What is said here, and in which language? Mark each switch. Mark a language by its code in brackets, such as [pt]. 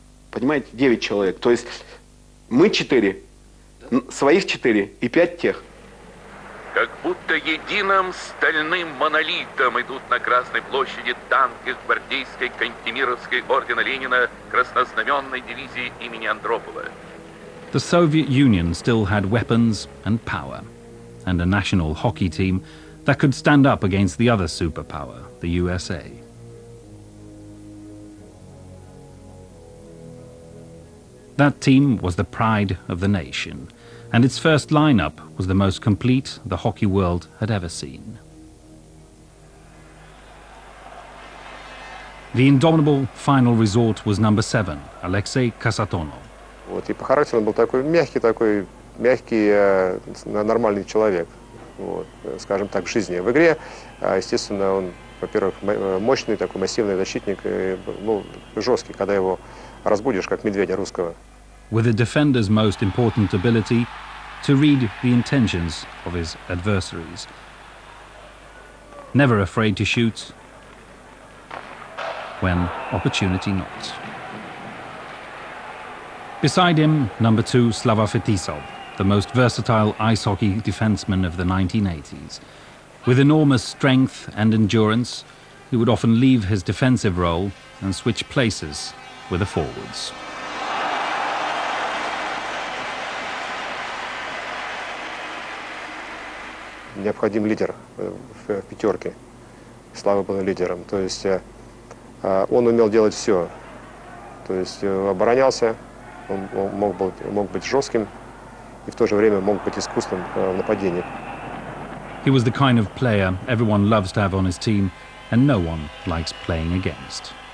[ru] Понимаете? 9 человек. То есть мы 4, своих 4 и 5 тех. Как будто единым стальным монолитом идут на Красной площади танки гвардейской Кантемировской ордена Ленина краснознаменной дивизии имени Андропова. [en] The Soviet Union still had weapons and power, and a national hockey team that could stand up against the other superpower, the USA. That team was the pride of the nation, and its first lineup was the most complete the hockey world had ever seen. The indomitable final resort was number 7, Alexei Kasatonov. [ru] Вот, и по характеру он был такой мягкий, нормальный человек, вот, скажем так, в жизни. В игре, естественно, он, во-первых, мощный, такой массивный защитник, и, ну, жесткий, когда его разбудишь, как медведя русского. [en] With a defender's most important ability to read the intentions of his adversaries. Never afraid to shoot when opportunity knocks. Beside him, number 2, Slava Fetisov, the most versatile ice hockey defenseman of the 1980s. With enormous strength and endurance, he would often leave his defensive role and switch places with the forwards. [ru] Необходим лидер в пятерке. Слава был лидером. То есть он умел делать все. То есть оборонялся. Он мог быть жестким и в то же время мог быть искусным в нападении. [en] He was the kind of player everyone loves to have on his team, and no one likes playing against.